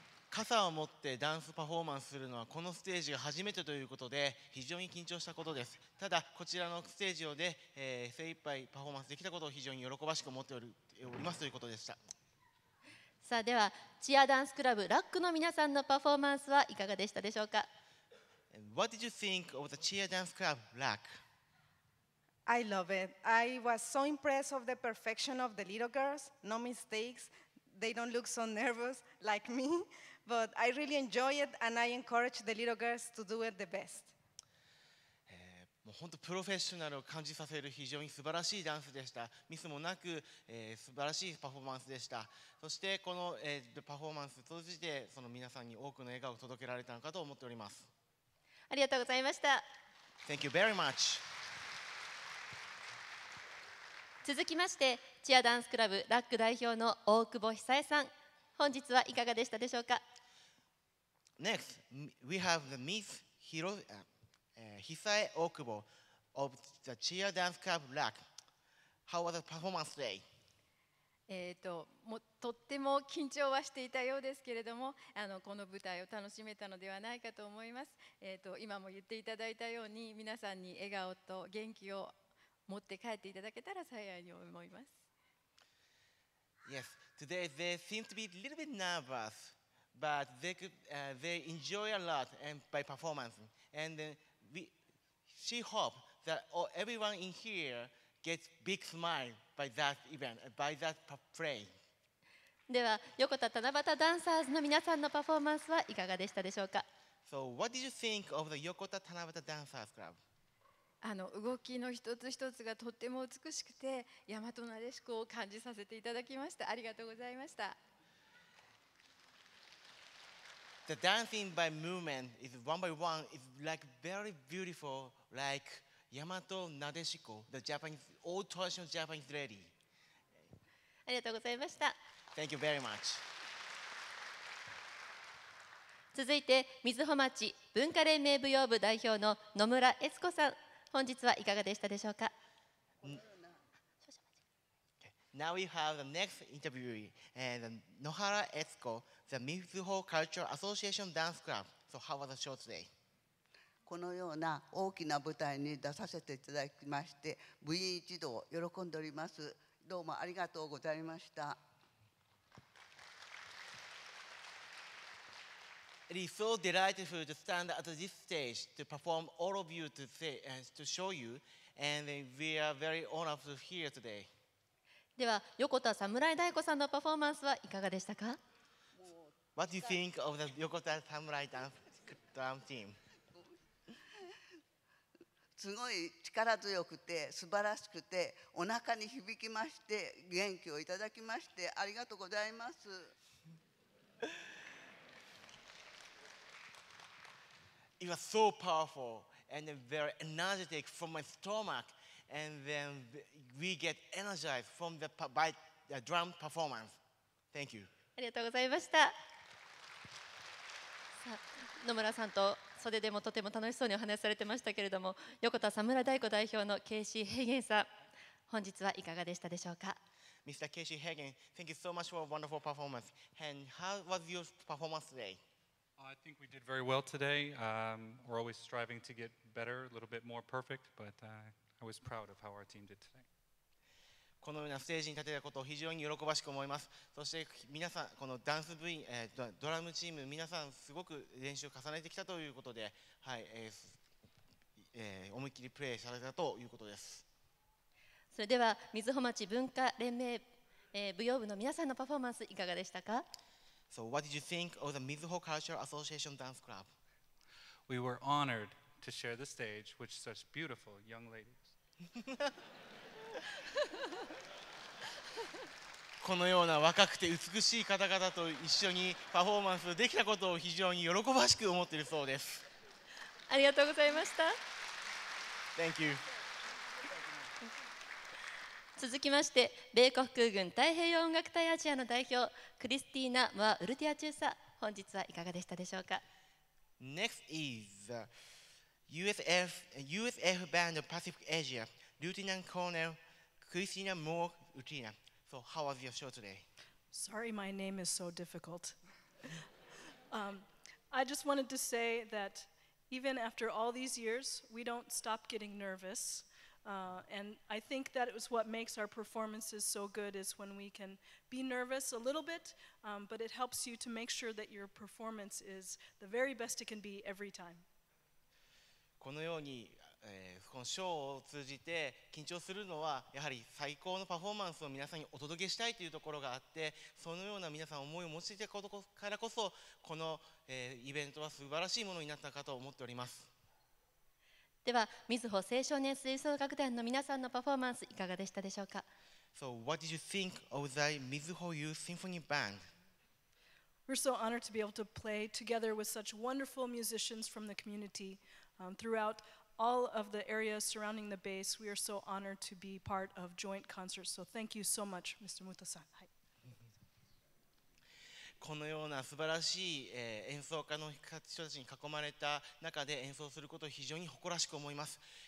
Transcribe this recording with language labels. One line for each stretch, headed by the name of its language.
Japanese: Kasa を持ってダンスパフォーマンスするのはこのステージが初めてということで非常に緊張したことです。ただこちらのステージで精一杯パフォーマンスできたことを非常に喜ばしく思っておりますということでした。さあではチアダンスクラブラックの皆さんのパフォーマンスはいかがでしたでしょうか。
English: What did you think of the cheer dance club, Black? I love it. I was so impressed of the perfection of the little girls. No mistakes. They don't look so nervous like me. But I really enjoy it, and I encourage the little girls to do it the best.
Japanese: もう本当プロフェッショナルを感じさせる非常に素晴らしいダンスでした。ミスもなく、素晴らしいパフォーマンスでした。そしてこの、パフォーマンスを通じてその皆さんに多くの笑顔を届けられたのかと思っております。ありがとうございました。
English: Thank you very much.
Japanese: 続きまして、チアダンスクラブラック代表の大久保久江さん、本日はいかがでしたでしょうか。
English: Next, we have the Miss Hiro, 久江大久保 of the Cheer Dance Club Rack. How was the performance today?
Japanese: もうとっても緊張はしていたようですけれども、この舞台を楽しめたのではないかと思います。今も言っていただいたように、皆さんに笑顔と元気を持って帰っていただけたら幸いに思います。
English: Yes, today they seem to be a little bit nervous, but they could, they enjoy a lot and by performance. And she hopes that everyone in here gets big smile. By that event, by that play.
Japanese: では横田七夕ダンサーズの皆さんのパフォーマンスはいかがでしたでしょうか。
English: So what did you think of the 横田七夕ダンサーズクラブ？
Japanese: 動きの一つ一つがとっても美しくて大和なでしこを感じさせていただきました。ありがとうございました。
English: The dancing by movement is one by one is like very beautiful likeヤマトナデシコ、the Japanese, old traditional Japanese lady.
Japanese: ありがとうございました。
English: Thank you very much.
Japanese: 続いて、みずほ町文化連盟舞踊部代表の野村悦子さん、本日はいかがでしたでしょうか。
English: Now we have the next interviewee, and 野原悦子、the Mizuho Cultural Association Dance Club. So how was the show today?
Japanese: このような大きな舞台に出させていただきまして、部員一同喜んでおります。どうもありがとうございました。
English: It is so delightful to stand at this stage to perform all of you to say, to show you, and we are very honored to hear today.
Japanese: では、横田侍太鼓さんのパフォーマンスはいかがでしたか。
English: What do you think of the 横田侍ダンスドラムチーム?
Japanese: すごい力強くて素晴らしくてお腹に響きまして元気をいただきましてありがとうございます。
English: It was so powerful and then very energetic from my stomach, and then we get energized from the by the drum performance. Thank you.
Japanese: ありがとうございました。野村さんと袖でもとても楽しそうにお話しされてましたけれども、横田佐村大吾代表のケイシー・ヘイゲンさん、本日はいかがでしたでしょうか。
English: Mr. Casey Hagen, thank you so much for a wonderful performance. And how was your performance today? I think we did very well today. We're always striving to get better, a little bit more perfect, but I was proud of how our team did today.
Japanese: このようなステージに立てたことを非常に喜ばしく思います。そして皆さん、このダンス部員、ドラムチーム、皆さんすごく練習を重ねてきたということで、はい、思いっきりプレーされたということです。それでは水穂町文化連盟、舞踊部の皆さんのパフォーマンスいかがでしたか。
English: So what did you think of the Mizuho Cultural Association Dance Club? We were honored to share the stage with such beautiful young ladies.
Japanese: このような若くて美しい方々と一緒にパフォーマンスできたことを非常に喜ばしく思っているそうです。ありがとうございました。
English: Thank you.
Japanese: 続きまして、米国空軍太平洋音楽隊アジアの代表、クリスティーナ・モア・ウルティア中佐、本日はいかがでしたでしょうか。
English: Next is USF Band of Pacific Asia, Lieutenant Colonel Christina Moore Utina. So, how was your show today? Sorry, my name is so difficult. I just wanted to say that even after all these years, we don't stop getting nervous. And I think that it was what makes our performances so good is when we can be nervous a little bit, but it helps you to make sure that your performance is the very best it can be every time.
Japanese: このように、このショーを通じて緊張するのはやはり最高のパフォーマンスを皆さんにお届けしたいというところがあって、そのような皆さん思いを持ちていたことからこそ、この、イベントは素晴らしいものになったかと思っております。では、みずほ青少年吹奏楽団の皆さんのパフォーマンスいかがでしたでしょうか。
English: So, what did you think of the Mizuho Youth Symphony Band? We're so honored to be able to play together with such wonderful musicians from the community. Throughout all of the areas surrounding the base, we are so honored to be part of joint concerts. So, thank you so much, Mr. Muta-san.
Japanese: このような素晴らしい、演奏家の人たちに囲まれた中で演奏することを非常に誇らしく思います。